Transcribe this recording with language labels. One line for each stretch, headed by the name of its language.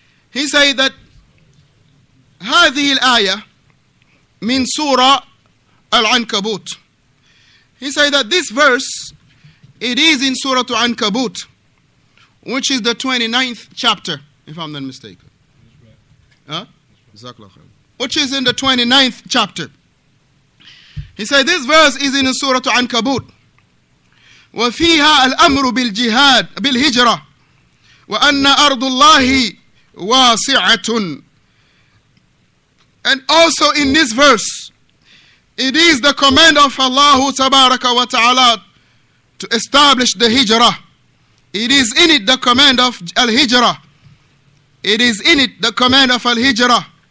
English: He said that
Arabic: هذه الآية من سورة العنكبوت.
English: He said that this verse, it is in Surah Al-Ankabut, which is the 29th chapter, if I'm not mistaken. Which is in the 29th chapter. He said this verse is in Surah Al-Ankabut.
Arabic: وفيها الأمر بالجهاد بالهجرة وأن أرض الله واسعة.
English: And also in this verse, it is the command of Allah تبارك وتعالى to establish the hijrah. It is in it the command of al-hijrah. It is in it the command of al-hijrah.